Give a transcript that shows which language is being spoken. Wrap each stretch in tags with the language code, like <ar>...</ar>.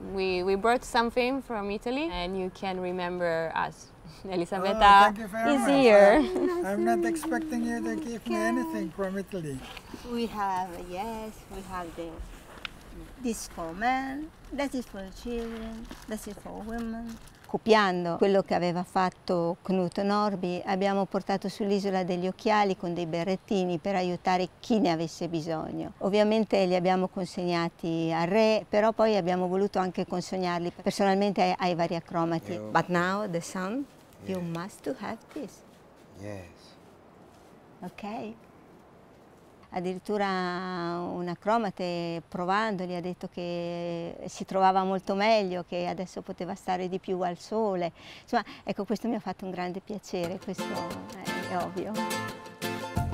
<en>We brought something from Italy and you can remember us. Elisabetta is here. I'm not expecting you to give me anything from Italy. We have the disco man. That is for children, that is for women.</en> <it>Copiando quello che aveva fatto Knut Norby, abbiamo portato sull'isola degli occhiali con dei berrettini per aiutare chi ne avesse bisogno. Ovviamente li abbiamo consegnati al re, però poi abbiamo voluto anche consegnarli personalmente ai vari acromati.</it> <en>But now the son, you must have this. Yes. Okay.</en> <it>Addirittura un acromate, provandoli, ha detto che si trovava molto meglio, che adesso poteva stare di più al sole. Insomma, ecco, questo mi ha fatto un grande piacere, questo è ovvio.</it>